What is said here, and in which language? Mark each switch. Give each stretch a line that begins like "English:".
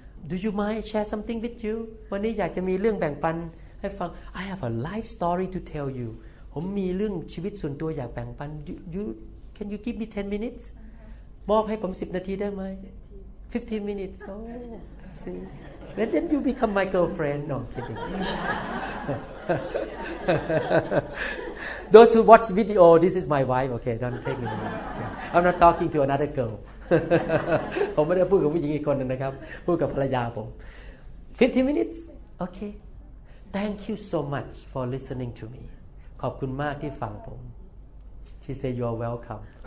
English: Do you mind share something with you
Thai: วันนี้อยากจะมีเรื่องแบ่งปันให้ฟัง
English: I have a life story to tell you
Thai: ผมมีเรื่องชีวิตส่วนตัวอยากแบ่งปัน
English: can you give me 10 minutes
Thai: มอบให้ผม10นาทีได้ไหม
English: 15 minutes oh see then you become my girlfriend no kiddingThose who watch video, this is my wife. Okay, don't take me. Okay. I'm not talking to another girl.
Thai: ผมไม่ได้พูดกับผู้หญิงอีกคนนะครับพูดกับภรรยาผม
English: 15 minutes? Okay. Thank you so much for listening to me.
Thai: ขอบคุณมากที่ฟังผม
English: She said, you are welcome.